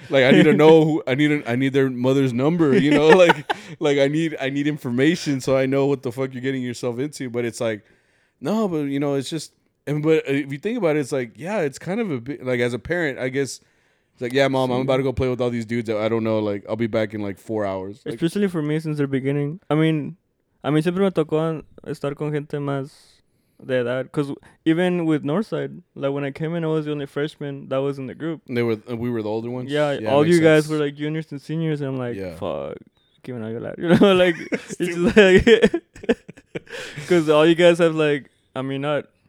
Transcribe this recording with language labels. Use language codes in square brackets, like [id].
[en] like I need to know who, I need their mother's number, you know? like I need information so I know what the fuck you're getting yourself into. But it's like, no, but you know, it's just, and but if you think about it, it's like, yeah, it's kind of a bit like, as a parent, I guess. It's like, yeah, mom, I'm about to go play with all these dudes that I don't know. Like, I'll be back in, like, 4 hours. Like, especially for me, since the beginning. I mean, [es] siempre me tocó estar con gente más de edad. [en] Because even with Northside, like, when I came in, I was the only freshman that was in the group. We were the older ones? Yeah, all you guys were, like, juniors and seniors. And I'm like, fuck. Giving all your life. You know, like, it's just like... Because all you guys have, like, I mean, not...